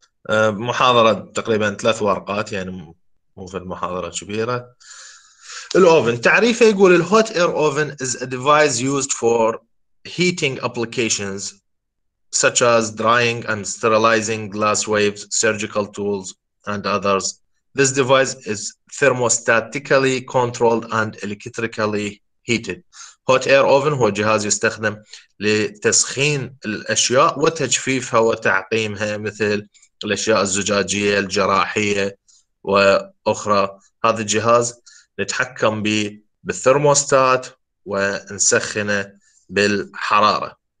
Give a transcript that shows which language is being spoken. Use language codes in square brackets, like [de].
[ar] محاضرة تقريبا 3 ورقات، يعني مو في المحاضرة كبيرة. الأوفن تعريفه يقول الهوت اير أوفن [en] is a device used for heating applications such as drying and sterilizing glass waves, surgical tools and others. This device is thermostatically controlled and electrically heated. [ar] Hot air oven هو جهاز يستخدم لتسخين الأشياء وتجفيفها وتعقيمها، مثل الأشياء الزجاجية الجراحية وأخرى. هذا الجهاز نتحكم به بالثرموستات ونسخنه بالحرارة.